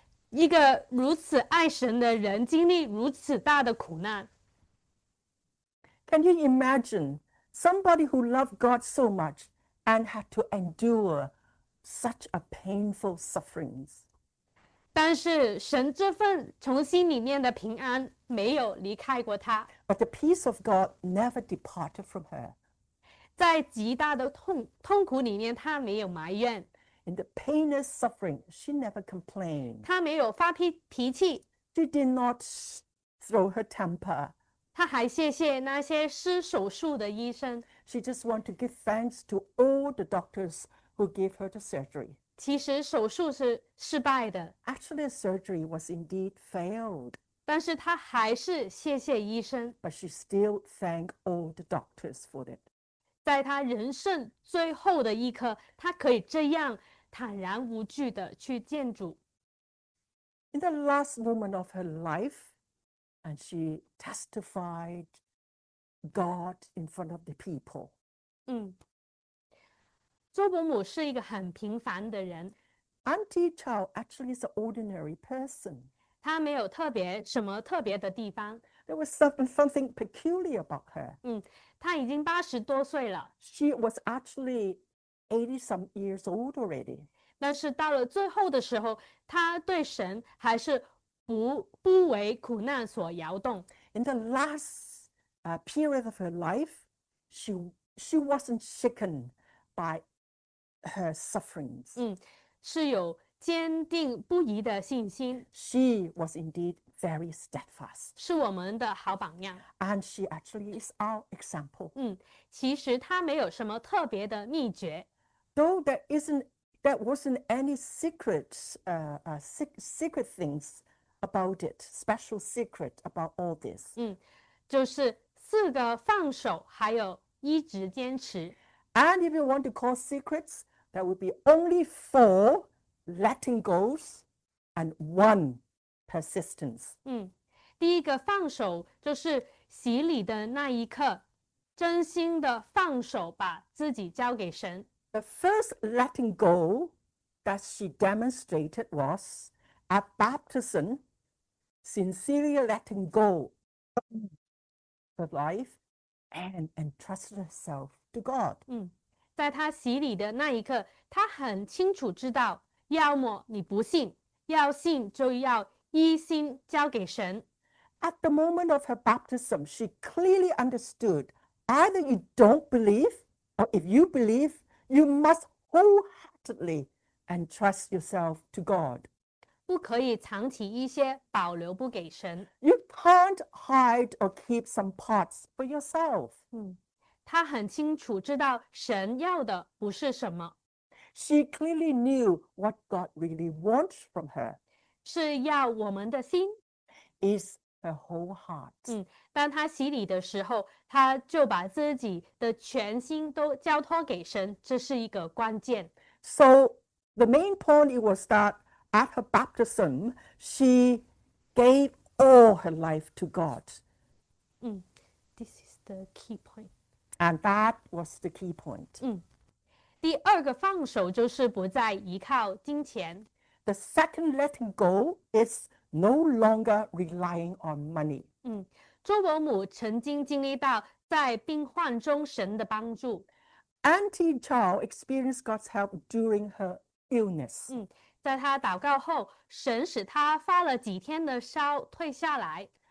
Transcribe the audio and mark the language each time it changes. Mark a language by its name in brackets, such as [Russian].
[Chinese] 一个如此爱神的人，经历如此大的苦难。 [English] Can you imagine somebody who loved God so much and had to endure such a painful sufferings? [Chinese] 但是神这份从心里面的平安没有离开过他。 [English] But the peace of God never departed from her. [Chinese] 在极大的痛苦里面，他没有埋怨， [English] In the painless suffering, she never complained. [Chinese] 他没有发脾气， [English] She did not throw her temper. [Chinese] 他还谢谢那些施手术的医生。 [English] She just want to give thanks to all the doctors who gave her the surgery. [Chinese] 其实手术是失败的， [English] Actually, the surgery was indeed failed. [Chinese] 但是他还是谢谢医生。 [English] But she still thanked all the doctors for that. [Chinese] 在他人生最后的一刻，他可以这样坦然无惧地去见主。 [English] In the last moment of her life, and she testified God in front of the people. [Chinese] 周伯母是一个很平凡的人， [English] Auntie Chow actually is an ordinary person. [Chinese] 她没有特别什么特别的地方。 [English] There was something peculiar about her. [Chinese] 他已经80多岁了， [English] She was actually 80 some years old already. [Chinese] 但是到了最后的时候，他对神还是不为苦难所摇动。 [English] In the last period of her life, she wasn't shaken by her sufferings. [Chinese] 是有坚定不移的信心， [English] She was indeed very steadfast. [Chinese] 是我们的好榜样。 [English] And she actually is our example. [Chinese] 其实他没有什么特别的秘诀。 [English] Though there wasn't any secret things about it, special secret about all this. [Chinese] 就是四个放手，还有一直坚持。 [English] And if you want to call secrets, there will be only four letting goes and one persistence. [Chinese] 第一个放手就是洗礼的那一刻。真心的放手，把自己交给神。 [English] The first letting go that she demonstrated was at baptism, sincerely letting go of her life and entrusted herself to God. [Chinese] 在他洗礼的那一刻，他很清楚知道，要么你不信，要信就要一心交给神。 [English] At the moment of her baptism, she clearly understood either you don't believe, or if you believe, you must wholeheartedly entrust yourself to God. [Chinese] 不可以藏起一些，保留不给神。 [English] You can't hide or keep some parts for yourself. [Chinese] 他很清楚知道神要的不是什么。 [English] She clearly knew what God really wants from her. [Chinese] 是要我们的心。 [English] is the whole heart. [Chinese] 当他洗礼的时候，他就把自己的全心都交托给神，这是一个关键。 [English] So the main point it was that at her baptism, she gave all her life to God. This is the key point. And that was the key point. [Chinese] 第二个放手就是不再依靠金钱。 [English] The second letting go is no longer relying on money. [Chinese] 周伯母曾经经历到在病患中神的帮助。 [English] Auntie Chow experienced God's help during her illness. [Chinese] 在她祷告后，神使她发了几天的烧，退下来。